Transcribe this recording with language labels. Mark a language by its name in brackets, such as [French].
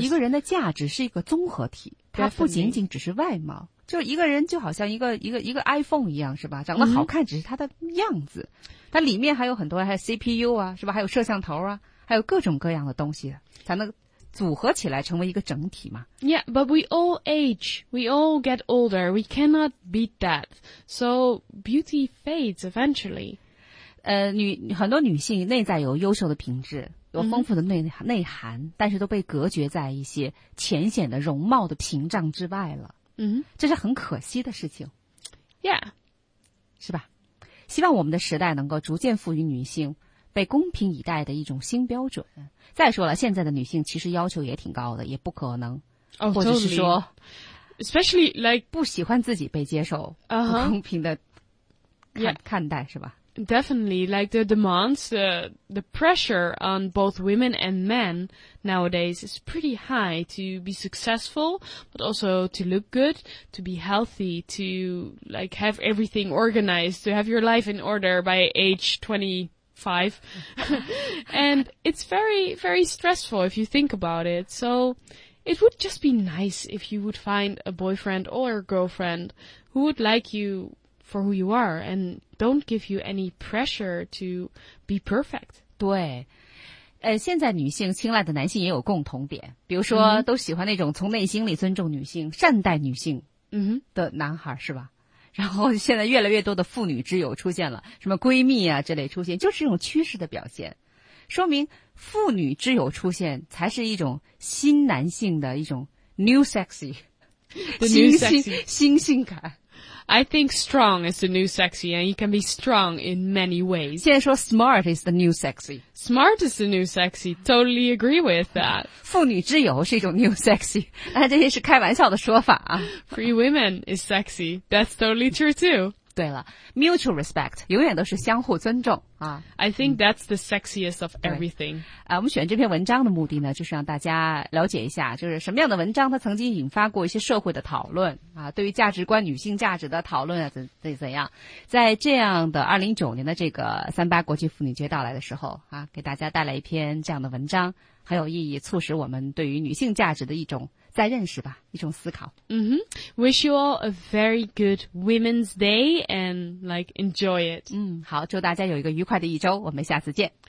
[Chinese] 一个人的价值是一个综合体，它不仅仅只是外貌。就一个人就好像一个 iPhone 一样，是吧？长得好看只是它的样子，它里面还有很多，还有 CPU 啊，是吧？还有摄像头啊，还有各种各样的东西，才能组合起来成为一个整体嘛。 [English] Yeah, but we all age. We all get older. We cannot beat that. So beauty fades eventually. [Chinese] 很多女性内在有优秀的品质，有丰富的内涵，但是都被隔绝在一些浅显的容貌的屏障之外了。这是很可惜的事情。 [English] Yeah. [Chinese] 是吧？希望我们的时代能够逐渐赋予女性被公平以待的一种新标准。再说了，现在的女性其实要求也挺高的，也不可能，或者是说 [English] especially like [Chinese] 不喜欢自己被接受，不公平的看待是吧？ [English] Definitely, like the demands, the pressure on both women and men nowadays is pretty high to be successful, but also to look good, to be healthy, to like have everything organized, to have your life in order by age 25. And it's very, very stressful if you think about it. So it would just be nice if you would find a boyfriend or a girlfriend who would like you for who you are and don't give you any pressure to be perfect. [Chinese] 对，现在女性青睐的男性也有共同点，比如说都喜欢那种从内心里尊重女性、善待女性的男孩，是吧？然后现在越来越多的妇女之友出现了，什么闺蜜啊之类出现，就是一种趋势的表现，说明妇女之友出现才是一种新男性的一种 [English] new sexy, [Chinese] 新性感。 [English] I think strong is the new sexy, and you can be strong in many ways. [Chinese] 现在说 [English] smart is the new sexy. Smart is the new sexy. Totally agree with that. [Chinese] 妇女之友是一种 [English] new sexy. [Chinese] 但这些是开玩笑的说法啊。 [English] Free women is sexy. That's totally true too. [Chinese] 对了 , [English] mutual respect, [Chinese] 永远都是相互尊重啊。 [English] I think that's the sexiest of everything. [Chinese] 啊，我们选这篇文章的目的呢，就是让大家了解一下，就是什么样的文章它曾经引发过一些社会的讨论啊，对于价值观、女性价值的讨论啊，怎样。在这样的2019年的这个38国际妇女节到来的时候啊，给大家带来一篇这样的文章，很有意义，促使我们对于女性价值的一种再认识吧，一种思考。 Mm-hmm. [English] Wish you all a very good Women's Day and like enjoy it. [Chinese] 好，祝大家有一个愉快的一周，我们下次见。